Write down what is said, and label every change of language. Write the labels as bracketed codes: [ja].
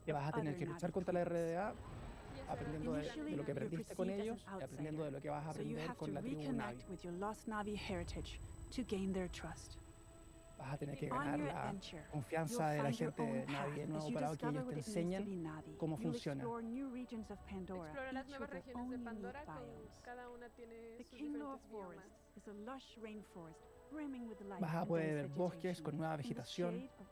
[es] Y vas a tener que luchar contra la RDA, aprendiendo de lo que aprendiste con ellos y aprendiendo de lo que vas a aprender con la tribu Na'vi. [en] With your lost Na'vi heritage to gain their trust. [es] Vas a tener que ganar la confianza de la gente Na'vi de nuevo para que ellos te enseñen cómo funciona. Explora las nuevas regiones de Pandora, cada una tiene sus diferentes biomas. [en] Is a lush rainforest brimming with life. [es] Vas a poder ver bosques con nueva vegetación.